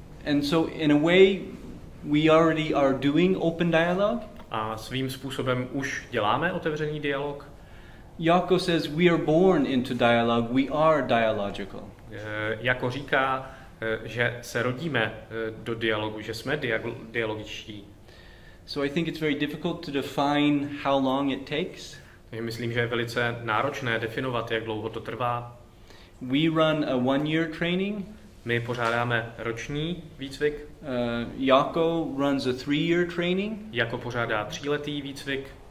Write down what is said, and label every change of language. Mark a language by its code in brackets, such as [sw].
[en] And so in a way we already are doing open dialogue. [cs] A svým způsobem už děláme otevřený dialog. [en] Jako says we are born into dialogue, we are dialogical. [cs] Jako říká, že se rodíme do dialogu, že jsme dialogičtí. [en] So I think it's very difficult to define how long it takes. [cs] Myslím, že je velice náročné definovat, jak dlouho to trvá. [en] We run a one-year training. [cs] My pořádáme roční výcvik. [en] Jako runs a three-year training. [cs] Jako pořádá tříletý výcvik.